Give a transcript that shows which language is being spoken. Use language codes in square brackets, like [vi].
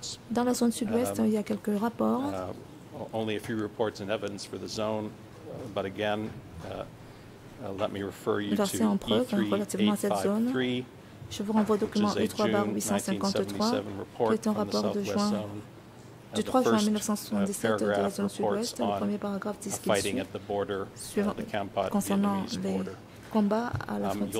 [fr] Dans la zone sud-ouest, il y a quelques rapports. [en] Only a few reports and evidence for the zone, but again, let me refer you to E3853. [fr] Je vous renvoie au document E3/853, qui est un rapport de juin du 3 juin 1977 de la zone sud-ouest. Le premier paragraphe dit ce qui suit concernant les combats à la frontière.